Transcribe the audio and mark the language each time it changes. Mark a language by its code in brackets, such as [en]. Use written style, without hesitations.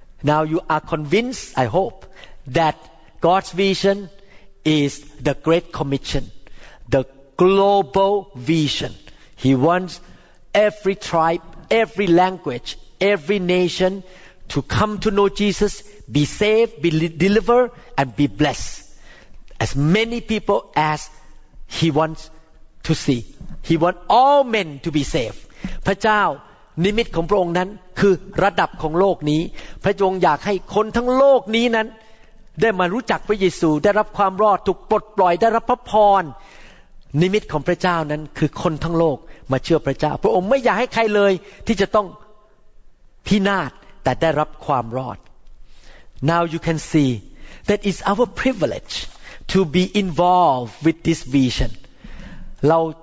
[en] Now you are convinced I hope that God's vision is the great commission the global visionHe wants every tribe, every language, every nation to come to know Jesus, be saved, be delivered, and be blessed. As many people as he wants to see. He wants all men to be saved. [th] พระเจ้านิมิตของพระองค์นั้นคือระดับของโลกนี้พระองค์อยากให้คนทั้งโลกนี้นั้นได้มารู้จักพระเยซูได้รับความรอดถูกปลดปล่อยได้รับพระพรนิมิตของพระเจ้านั้นคือคนทั้งโลกมาเชื่อพระเจ้าพระองค์ไม่อยากให้ใครเลยที่จะต้องพินาศแต่ได้รับความรอด [en] Now you can see that is our privilege to be involved with this vision [th] เรา